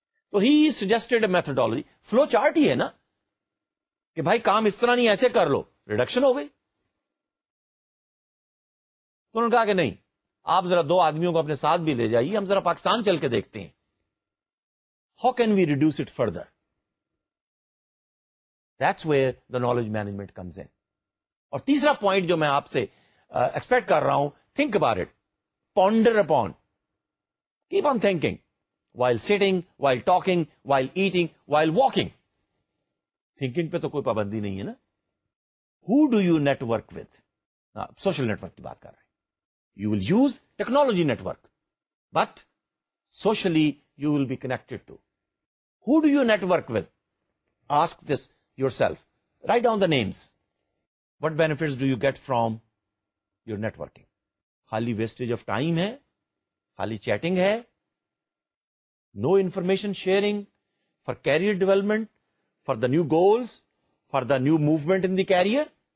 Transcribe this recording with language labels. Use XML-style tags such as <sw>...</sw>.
<ur>تو</ur> <en>ہی suggested a methodology,</en> <ur>flow chart ہی ہے نا, کہ بھائی کام اس طرح نہیں, ایسے کر لو, ریڈکشن ہو گئی. تو انہوں نے کہا کہ نہیں, آپ ذرا دو آدمیوں کو اپنے ساتھ بھی لے جائیے, ہم ذرا پاکستان چل کے دیکھتے ہیں,</ur> <en>How can we reduce it further. That's where the knowledge management comes in.</en> <ur>اور تیسرا پوائنٹ جو میں آپ سے ایکسپیکٹ کر رہا ہوں,</ur> <en>Think about it, ponder upon, keep on thinking while sitting, while talking, while eating, while walking.</en> <ur>Thinking پہ تو کوئی پابندی نہیں ہے نا.</ur> <en>Who do you network with? Social network</en> <ur>ki baat kar rahe.</ur> <en>You will use technology network, but socially you will be connected to. Who do you network with? Ask this yourself. Write down the names. What benefits do you get from your networking?</en> <ur>Khali wastage of time hai, khali chatting hai,</ur> <en>no information sharing for career development, for the new goals, for the new movement in the career.</en>